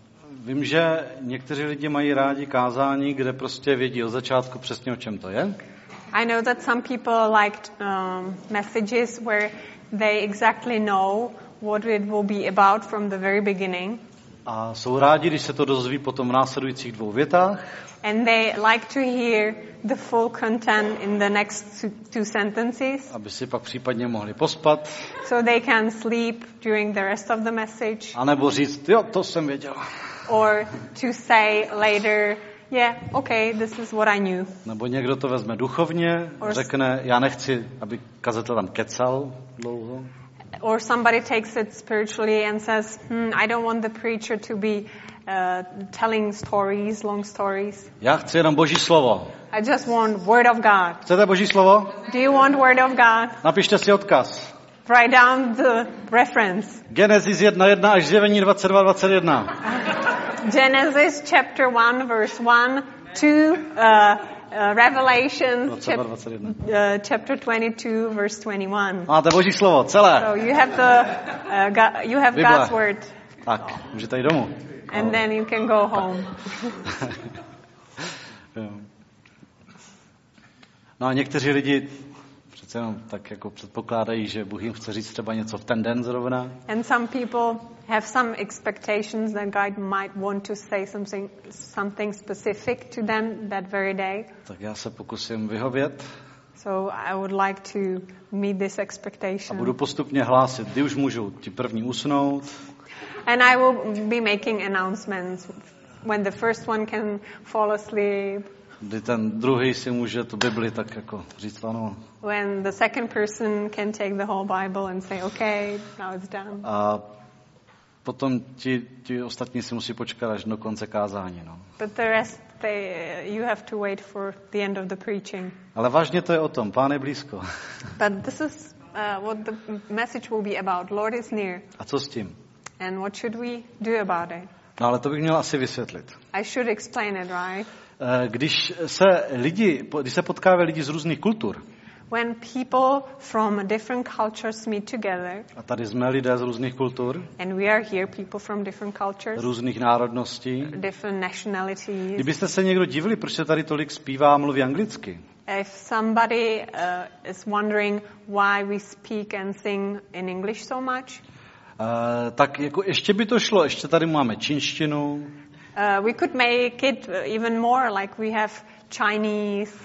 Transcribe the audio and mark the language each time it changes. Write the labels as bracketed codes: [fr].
[cs] Vím, že někteří lidi mají rádi kázání, kde prostě vědí od začátku přesně, o čem to je. [en] I know that some people liked messages where they exactly know what it will be about from the very beginning. [cs] A jsou rádi, když se to dozví potom v následujících dvou větách. [en] And they like to hear the full content in the next two sentences. [cs] Aby si pak případně mohli pospat. [en] So they can sleep during the rest of the message. [cs] A nebo říct, jo, to jsem věděl. [en] Or to say later, yeah, okay, this is what I knew. [cs] Nebo někdo to vezme duchovně, řekne, já nechci, aby kazatel tam kecal dlouho. [en] Or somebody takes it spiritually and says, I don't want the preacher to be telling stories, long stories. [cs] Já chci jenom Boží slovo. [en] I just want word of God. [cs] Chcete Boží slovo? [en] Do you want word of God? [cs] Napište si odkaz. [en] Write down the reference. [cs] Genesis 1:1 až Zjevení 22:21. [en] Genesis chapter 1 verse 1 to Revelation chapter 22 verse 21. [cs] Máte Boží slovo celé. [en] So you have the you have Bible. God's word. [cs] Tak, můžete jít domů. [en] And then you can go home. [cs] No a někteří lidi přece jenom tak jako předpokládají, že Bůh jim chce říct třeba něco v ten den zrovna. [en] And some people have some expectations that God might want to say something specific to them that very day. [cs] Tak já se pokusím vyhovět. [en] So I would like to meet this expectation. [cs] A budu postupně hlásit, kdy už můžou ti první usnout. [en] And I will be making announcements when the first one can fall asleep. [cs] Kdy ten druhý si může tu Bibli tak jako říct ano. [en] When the second person can take the whole Bible and say okay, now it's done. [cs] A potom ti ostatní si musí počkat až do konce kázání, no. [en] But the rest they, you have to wait for the end of the preaching. [cs] Ale vážně to je o tom, Pán je blízko. [en] But this is what the message will be about. Lord is near. [cs] A co s tím? [en] And what should we do about it? [cs] No, ale to bych měl asi vysvětlit. [en] I should explain it, right? [cs] Když se potkávají lidi z různých kultur. [en] When people from different cultures meet together. [cs] A tady jsme lidé z různých kultur. [en] And we are here people from different cultures. [cs] Různých národností. [en] Different nationalities. [cs] Kdybyste se někdo divili, proč se tady tolik zpívá a mluví anglicky. [en] If somebody is wondering why we speak and sing in English so much. [cs] Tak jako ještě by to šlo, ještě tady máme čínštinu. [en] We could make it even more, like we have Chinese.